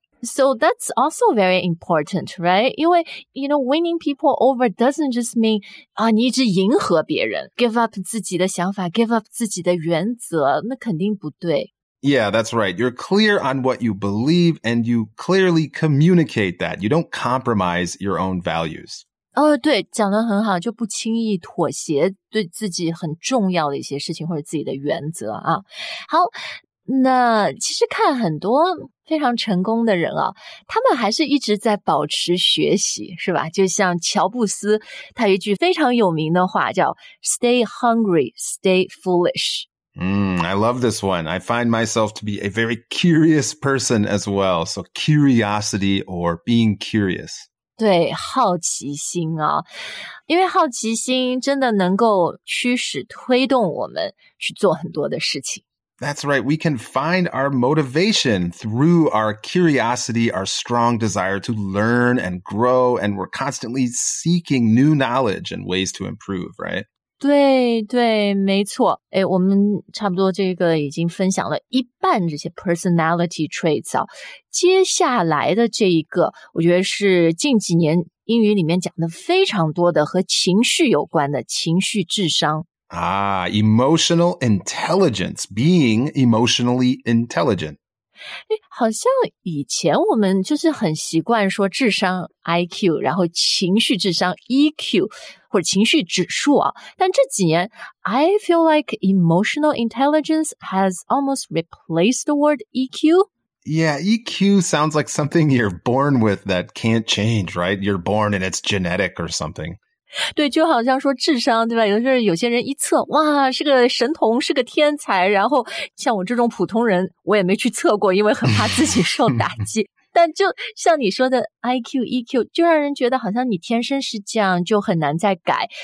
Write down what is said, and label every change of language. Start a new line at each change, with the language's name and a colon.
English: So that's also very important, right?
Chinese: 因为
English: you know, winning people over doesn't just mean 啊，
Chinese: 你一直迎合别人，
English: give up
Chinese: 自己的想法，
English: give up
Chinese: 自己的原则，那肯定不对。
English: Yeah, that's right. You're clear on what you believe and you clearly communicate that. You don't compromise your own values.
Chinese: 对，讲得很好，就不轻易妥协对自己很重要的一些事情或者自己的原则啊。好，那其实看很多非常成功的人啊，他们还是一直在保持学习，是吧？就像乔布斯，他有一句非常有名的话叫
English: Stay hungry, stay foolish. I love this one. I find myself to be a very curious person as well. So curiosity or being curious.
Chinese: 对，好奇心啊，因为好奇心真的能够驱使推动我们去做很多的事情。
English: That's right. We can find our motivation through our curiosity, our strong desire to learn and grow. And we're constantly seeking new knowledge and ways to improve, right?
Chinese: 对对，没错。诶，我们差不多这个已经分享了一半这些
English: personality traits
Chinese: 啊。接下来的这一个，我觉得是近几年英语里面讲的非常多的和情绪有关的情绪智商。
English: Emotional intelligence, being emotionally intelligent.
Chinese: 诶，好像以前我们就是很习惯说智商 IQ, 然后情绪智商 EQ,或者情绪指数啊，但这几年
English: I feel like emotional intelligence has almost replaced the word EQ. Yeah, EQ sounds like something you're born with that can't change, right? You're born and it's genetic or something.
Chinese: 对，就好像说智商，对吧？有时候有些人一测，哇，是个神童，是个天才，然后像我这种普通人，我也没去测过，因为很怕自己受打击。但就像你说的 IQ, EQ, 就让人觉得好像你天生是这样就很难再改。